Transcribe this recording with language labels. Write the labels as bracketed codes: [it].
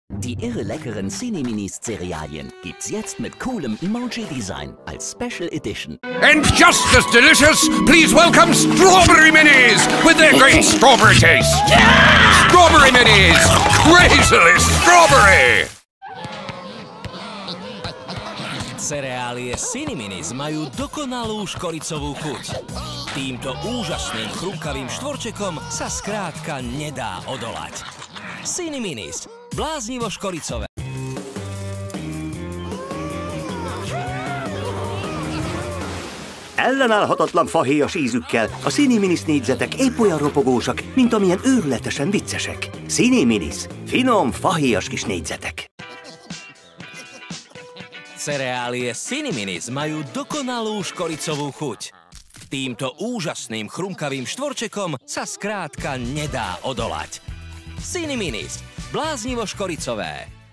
[de] Die irre leckeren cinni minis Cerealien gibt's jetzt mit coolem Emoji-Design als Special Edition. [en] And just as delicious, please welcome Strawberry Minis with their great strawberry taste. Yeah! Strawberry Minis! Crazily strawberry! [sk] Cereálie cinni minis majú dokonalú škoricovú chuť. Týmto úžasným chrumkavým štvorčekom sa skrátka nedá odolať. Cinni minis. Bláznivo škoricové. [hu] Ellenállhatatlan fahéjas ízükkel a cinni minis négyzetek épp olyan ropogósak, mint amilyen őrületesen viccesek. Cinni minis. Finom, fahéjas kis négyzetek. [sk] Cereálie cinni minis majú dokonalú škoricovú chuť. Týmto úžasným chrumkavým štvorčekom sa skrátka nedá odolať. Cinni minis. Bláznivo škoricové.